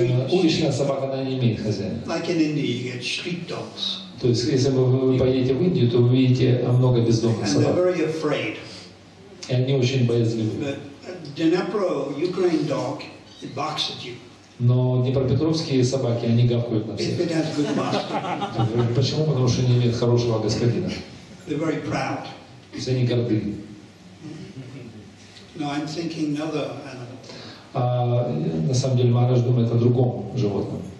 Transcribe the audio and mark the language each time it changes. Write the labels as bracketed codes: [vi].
[ru] Уличная собака, она не имеет хозяина. [en] Like in India, you get street dogs. [ru] То есть, если вы поедете в Индию, то вы увидите много бездомных собак. [en] And they're very afraid. [ru] И они очень боязливы. [en] But Dnepro, Ukraine dog, it barks at you. [ru] Но днепропетровские собаки, они гавкают на всех. [en] If it has good master. [ru] Почему? Потому что они имеют хорошего господина. [en] They're very proud. [ru] То есть, они горды. [en] No, I'm thinking another animal. [ru] На самом деле Махарадж думает о другом животном.